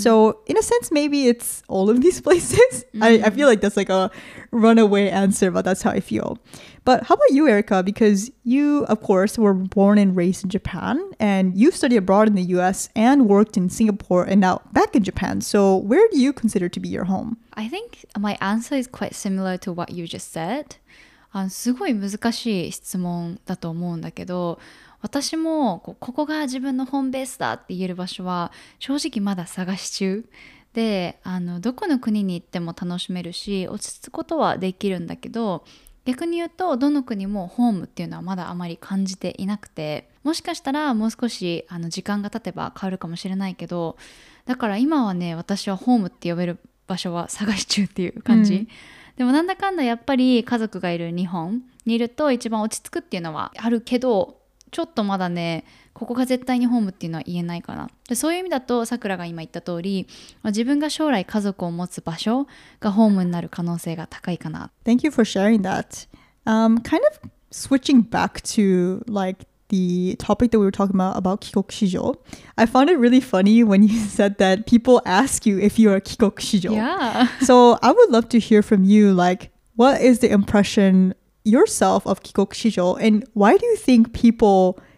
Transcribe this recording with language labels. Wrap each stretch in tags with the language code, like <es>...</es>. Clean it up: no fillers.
<en>Mm. So, in a sense, maybe it's all of these places. I feel like that's like a runaway answer, but that's how I feel. But how about you, Erica? Because you, of course, were born and raised in Japan, and you studied abroad in the US and worked in Singapore and now back in Japan. So where do you consider to be your home? I think my answer is quite similar to what you just said.</en> <ja>すごい難しい質問だと思うんだけど、私もここが自分のホームベースだって言える場所は正直まだ探し中。で、どこの国に行っても楽しめるし、落ち着くことはできるんだけど、逆に言うとどの国もホームっていうのはまだあまり感じていなくて、もしかしたらもう少し時間が経てば変わるかもしれないけど、だから今はね、私はホームって呼べる場所は探し中っていう感じ、うん、でもなんだかんだやっぱり家族がいる日本にいると一番落ち着くっていうのはあるけど、ちょっとまだねここが絶対にホームっていうのは言えないかな。でそういう意味だと、さくらが今言った通り、自分が将来家族を持つ場所がホームになる可能性が高いかな。</ja> <en>Thank you for sharing that. Kind of switching back to like the topic that we were talking about 帰国子女. I found it really funny when you said that people ask you if you are 帰国子女. Yeah. So I would love to hear from you, like, what is the impression yourself of 帰国子女, and why do you think people...</en>